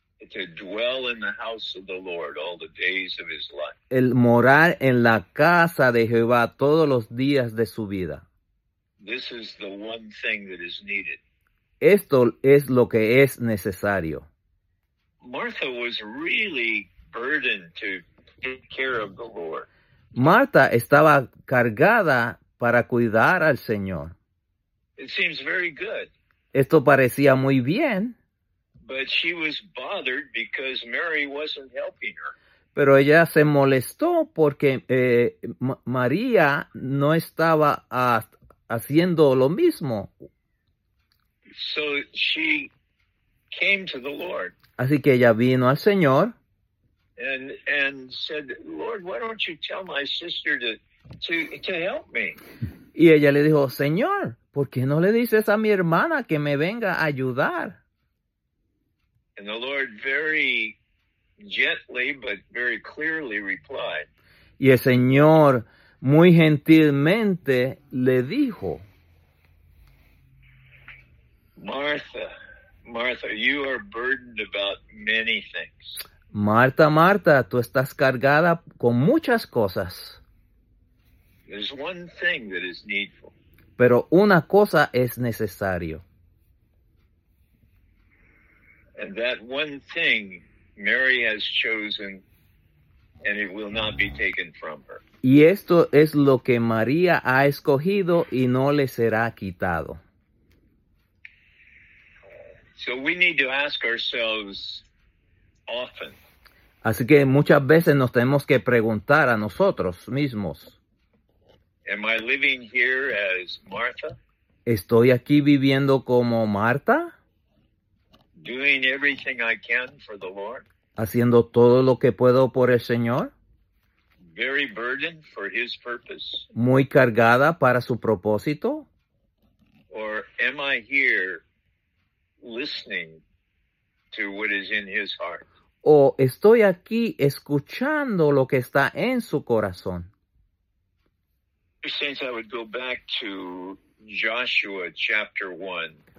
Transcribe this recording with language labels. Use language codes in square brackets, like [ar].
[en] To dwell in the house of the Lord all the days of his life. [es] El morar en la casa de Jehová todos los días de su vida. [en] This is the one thing that is needed. [es] Esto es lo que es necesario. [en] Martha was really burdened to take care of the Lord. [es] Marta estaba cargada para cuidar al Señor. [en] It seems very good. [es] Esto parecía muy bien. [en] But she was bothered because Mary wasn't helping her. [es] Pero ella se molestó porque María no estaba haciendo lo mismo. [en] So she came to the Lord. [es] Así que ella vino al Señor. [en] And said, Lord, why don't you tell my sister to help me? [es] Y ella le dijo, Señor, ¿por qué no le dices a mi hermana que me venga a ayudar? [en] And the Lord very gently but very clearly replied. [es] Y el Señor muy gentilmente le dijo, [en] Martha. Martha, you are burdened about many things. [es] Marta, Marta, tú estás cargada con muchas cosas. [en] There's one thing that is needful. [es] Pero una cosa es necesario. [en] And that one thing Mary has chosen, and it will not be taken from her. [es] Y esto es lo que María ha escogido y no le será quitado. [en] So we need to ask ourselves often. [es] Así que muchas veces nos tenemos que preguntar a nosotros mismos. [en] Am I living here as Martha? [es] ¿Estoy aquí viviendo como Marta? [en] Doing everything I can for the Lord. [es] ¿Haciendo todo lo que puedo por el Señor? [en] Very burdened for his purpose. [es] ¿Muy cargada para su propósito? [en] Or am I here listening to what is in his heart? [es] ¿O estoy aquí escuchando lo que está en su corazón? [en] Since I would go back to Joshua chapter 1.